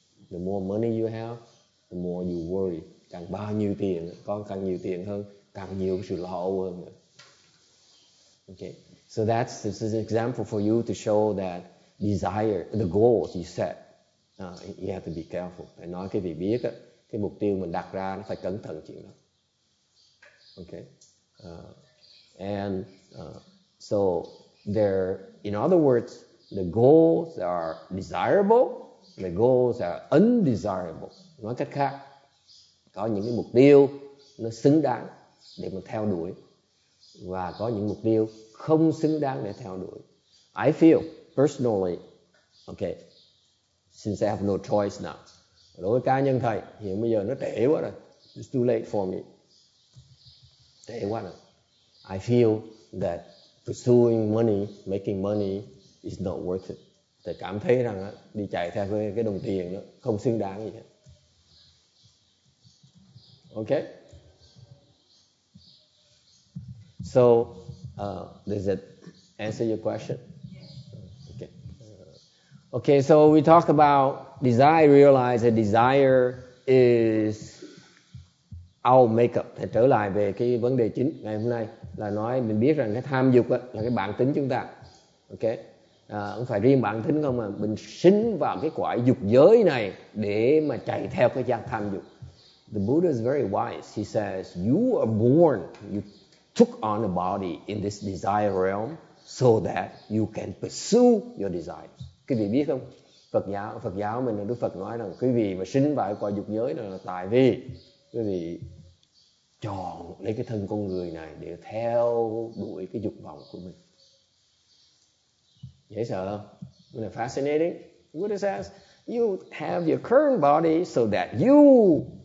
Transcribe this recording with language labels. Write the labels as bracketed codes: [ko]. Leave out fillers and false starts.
[en] The more money you have, the more you worry. [vi] Càng bao nhiêu tiền, con càng nhiều tiền hơn, càng nhiều sự lo âu hơn. [en] Okay, so this is an example for you to show that desire, the goals you set, you have to be careful. [vi] Phải nói cái vị biết á, cái mục tiêu mình đặt ra nó phải cẩn thận chuyện đó. [en] Okay, so there, in other words, the goals are desirable, the goals are undesirable. [vi] Nói cách khác, có những cái mục tiêu nó xứng đáng để mình theo đuổi, và có những mục tiêu không xứng đáng để theo đuổi. [en] I feel personally, okay, since I have no choice now. [vi] Đối với cá nhân thầy, hiện bây giờ nó trễ quá rồi. [en] It's too late for me. [vi] Trễ quá rồi. [en] I feel that pursuing money, making money is not worth it. [vi] Thầy cảm thấy rằng á, đi chạy theo cái đồng tiền đó không xứng đáng gì hết. [en] Okay. So, does it answer your question? Yes. Okay. Okay, so we talk about desire, realize that desire is our makeup. [vi] Thì trở lại về cái vấn đề chính ngày hôm nay là nói mình biết rằng cái tham dục là cái bản tính chúng ta. Okay. Không phải riêng bản tính không mà mình sinh vào cái quả dục giới này để mà chạy theo cái giác tham dục. [en] The Buddha is very wise. He says, you are born, you took on a body in this desire realm so that you can pursue your desires. [vi] Quý vị biết không? Phật giáo mình, Đức Phật nói rằng quý vị mà sinh vào cõi dục giới là tại vì quý vị chọn lấy cái thân con người này để theo đuổi cái dục vọng của mình. Dễ sợ không? [en] Fascinating. Buddha says, you have your current body so that you